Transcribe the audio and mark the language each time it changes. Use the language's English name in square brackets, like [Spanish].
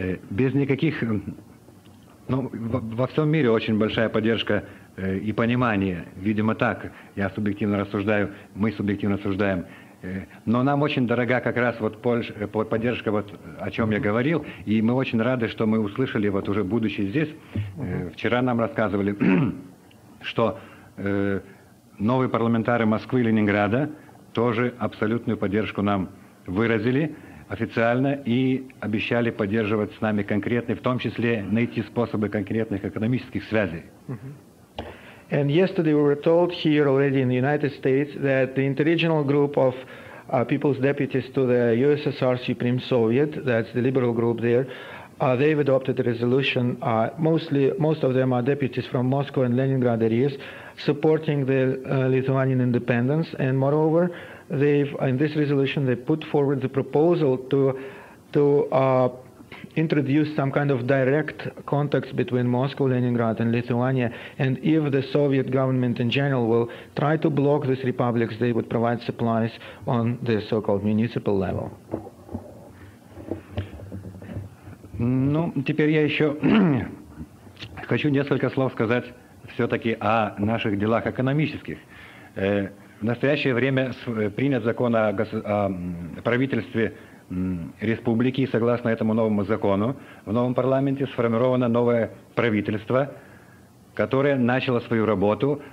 [Russian] Без никаких, ну, во всем мире очень большая поддержка и понимание, видимо так, я субъективно рассуждаю, мы субъективно рассуждаем, но нам очень дорога как раз вот поддержка, вот о чем я говорил, и мы очень рады, что мы услышали, вот уже будучи здесь, вчера нам рассказывали, что новые парламентары Москвы и Ленинграда тоже абсолютную поддержку нам выразили, официально, и обещали поддерживать с нами конкретные, в том числе найти способы конкретных экономических связей. [English] And yesterday we were told here already in the United States that the interregional group of people's deputies to the USSR Supreme Soviet, that's the liberal group there, they've adopted a resolution, most of them are deputies from Moscow and Leningrad areas, supporting the Lithuanian independence, and moreover, they've in this resolution they put forward the proposal to introduce some kind of direct contacts between Moscow, Leningrad and Lithuania, and if the Soviet government in general will try to block these republics, they would provide supplies on the so-called municipal level. [Russian] Ну, теперь я еще хочу несколько слов сказать все-таки о наших делах экономических. В настоящее время принят закон о правительстве республики, и согласно этому новому закону, в новом парламенте сформировано новое правительство, которое начало свою работу.